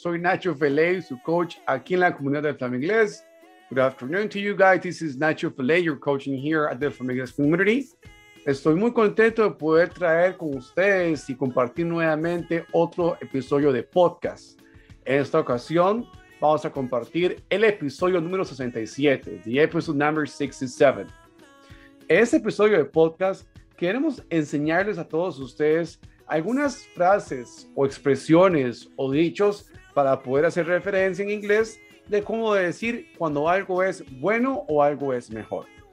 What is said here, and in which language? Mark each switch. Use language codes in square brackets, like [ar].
[es] Soy Nacho Feley, su coach aquí en la comunidad de flamingles. [en] Good afternoon to you guys. This is Nacho Feley, your coach here at the Flamingles Community. [es] Estoy muy contento de poder traer con ustedes y compartir nuevamente otro episodio de podcast. En esta ocasión, vamos a compartir el episodio número 67, [en] the episode number 67. [es] En este episodio de podcast, queremos enseñarles a todos ustedes algunas frases o expresiones o dichos para poder hacer referencia en inglés de cómo decir cuando algo es bueno o algo es mejor.